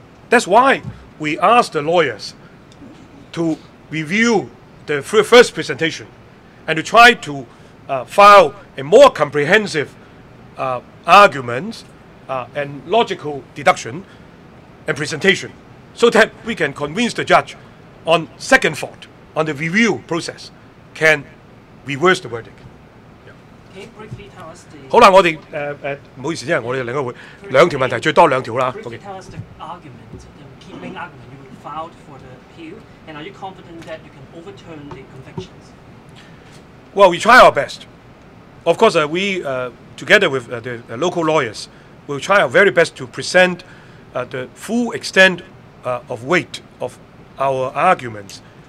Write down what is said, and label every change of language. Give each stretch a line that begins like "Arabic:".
English: That's why we ask the lawyers to review the first presentation and to try to file a more comprehensive argument and logical deduction and presentation so that we can convince the judge on second thought, on the review process, can reverse the verdict. Can you briefly tell us the...
Cantonese: 好啦，我哋唔好意思，因為我哋有兩條問題，最多兩條啦。
English: Briefly tell us the argument, the main argument you filed for the appeal, and are you confident that you can overturn the convictions? Well, we try our best. Of course, we, together with the local lawyers, will try our very best to present the full extent of weight of our arguments.